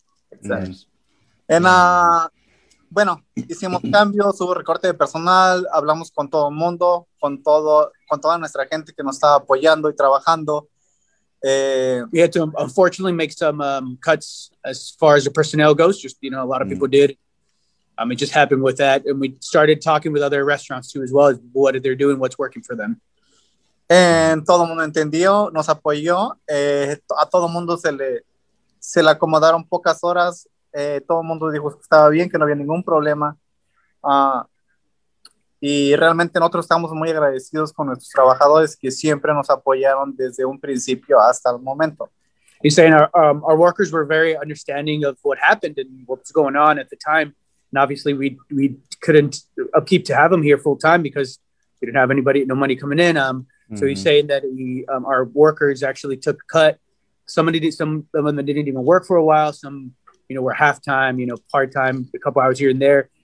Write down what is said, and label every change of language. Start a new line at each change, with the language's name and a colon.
Spanish: Exactly. Mm-hmm. And, bueno, hicimos cambios, hubo recorte de personal, hablamos con todo el mundo, con toda nuestra gente que nos estaba apoyando y trabajando.
English: We had to, unfortunately, make some cuts as far as the personnel goes. Just, you know, a lot of people did. It just happened with that. And we started talking with other restaurants, too, as well as what they're doing, what's working for them.
Spanish: En todo el mundo entendió, nos apoyó, a todo el mundo se le acomodaron pocas horas, todo el mundo dijo que estaba bien, que no había ningún problema, y realmente nosotros estamos muy agradecidos con nuestros trabajadores que siempre nos apoyaron desde un principio hasta el momento.
English: He's saying our workers were very understanding of what happened and what was going on at the time, and obviously we couldn't upkeep to have them here full time because we didn't have anybody, no money coming in. So he's saying that our workers actually took a cut. Some of them didn't even work for a while. Some, you know, were half-time, you know, part-time, a couple hours here and there.